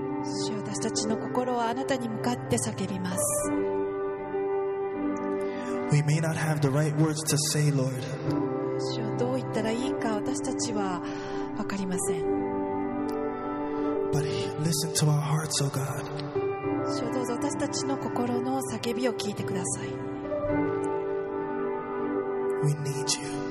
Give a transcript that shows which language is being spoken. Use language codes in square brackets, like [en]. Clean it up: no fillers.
[ja] 主よ、私たちの心はあなたに向かって叫びます。 [en] We may not have the right words to say, Lord. [ja] 主よ、どう言ったらいいか私たちは分かりません。 [en] But listen to our hearts, O God. [ja] 主よ、どうぞ私たちの心の叫びを聞いてください。 [en] We need you.